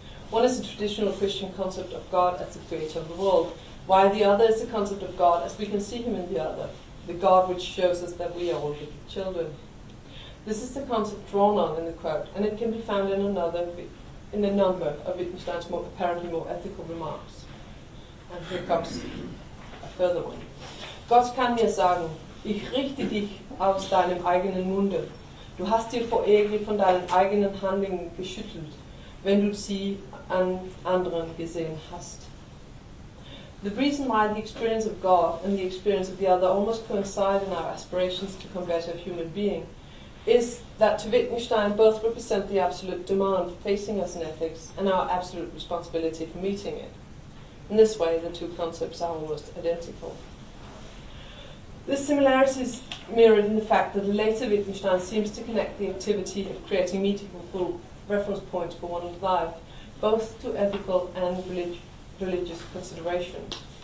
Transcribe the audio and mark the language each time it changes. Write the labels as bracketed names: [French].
[English] One is a traditional Christian concept of God as the creator of the world, while the other is the concept of God as we can see him in the other, the God which shows us that we are all wicked children. This is the concept drawn on in the quote, and it can be found in a number of Wittgenstein's apparently more ethical remarks. And here comes a further one. [German] Gott kann mir sagen, ich richte dich aus deinem eigenen Munde. Du hast dir vor Ekel von deinen eigenen Handlungen geschüttelt, wenn du sie an anderen gesehen hast. [English] The reason why the experience of God and the experience of the other almost coincide in our aspirations to become better human beings is that to Wittgenstein both represent the absolute demand facing us in ethics and our absolute responsibility for meeting it. In this way, the two concepts are almost identical. This similarity is mirrored in the fact that the later Wittgenstein seems to connect the activity of creating meaningful reference points for one's life, both to ethical and religious considerations.